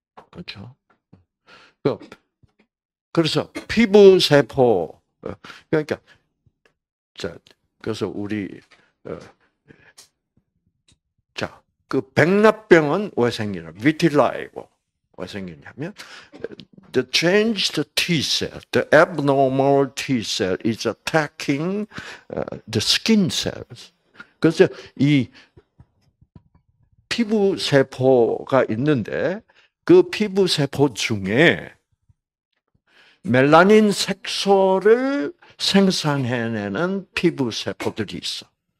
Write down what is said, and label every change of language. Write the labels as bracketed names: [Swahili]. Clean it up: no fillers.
[Korean] 그렇죠? 그래서 피부세포, 그러니까, 자, 그래서 우리, 그 백내병은 왜 생기냐? 비틸라이고 왜 생기냐면 [English] the changed T cell, the abnormal T cell is attacking the skin cells. [Korean] 그래서 이 피부 세포가 있는데 그 피부 세포 중에 멜라닌 색소를 생산해내는 피부 세포들이 있어.